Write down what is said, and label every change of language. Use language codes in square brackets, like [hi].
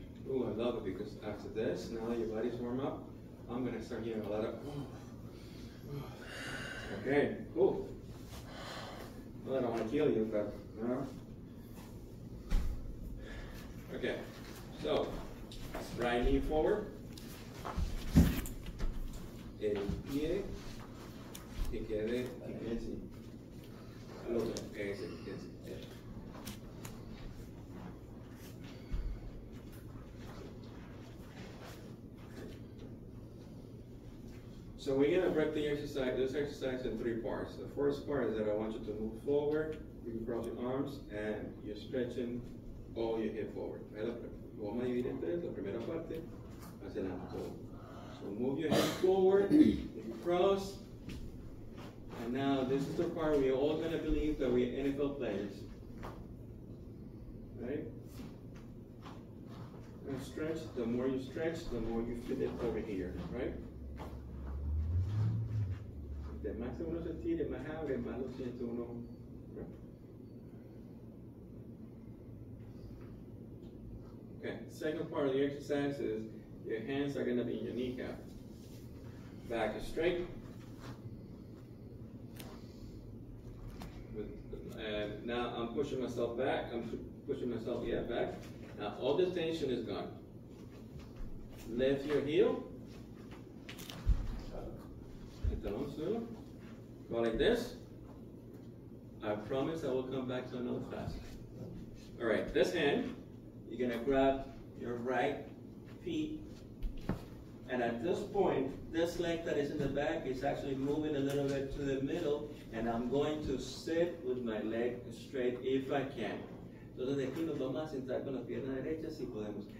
[en] Oh, I love it because after this, now your body's warm up, I'm going to start getting a lot of, okay, cool. Well, I don't want to kill you, but, you know. Okay. So, right knee forward, [es] el pie que quede así, [en] el otro que se quede así. So we're going to break the exercise, this exercise in three parts. The first part is that I want you to move forward, you can cross your arms, and you're stretching all your hip forward. [es] Vamos a dividir en tres, la primera parte, hacia adelante. [en] So move your hips forward, cross, and now this is the part we are all going to believe that we are NFL players. Right? And stretch, the more you feel it over here, right? [es] De más uno se tire, más abre, más lo siente uno. [en] Okay, second part of the exercise is your hands are going to be in your kneecap. Back is straight. And now I'm pushing myself back. I'm pushing myself back. Now all the tension is gone. Lift your heel. Go like this. I promise I will come back to another class. All right, this hand, you're going to grab your right feet, and at this point, this leg that is in the back is actually moving a little bit to the middle, and I'm going to sit with my leg straight if I can. [es] Entonces, aquí nos vamos a sentar con la pierna derecha si podemos.